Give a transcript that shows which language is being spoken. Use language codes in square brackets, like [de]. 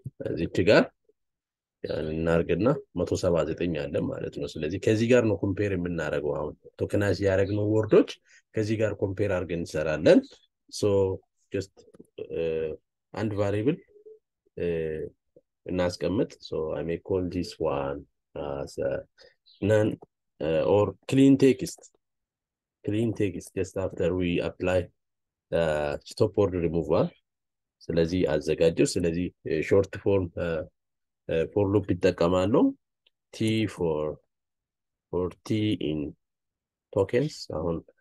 [am] እዚህ ጋር ያን እናርገና 179 አለ ማለት ነው። ስለዚህ ከዚህ ጋር ነው ኮምፔር የምናረገው። አሁን ቶከናይዝ ያረግነው ወርዶች ከዚህ ጋር ኮምፔር አርገን እንሰራለን። [en] So just and variable [am] እናስቀምጥ. [en] So I may call this one as a none or clean text. Clean text just after we apply stop word removal [am] ስለዚህ አዘጋጀው ስለዚህ [en] short form for loop [am] ይጠቀማለሁ [en] t for t in tokens [am] አሁን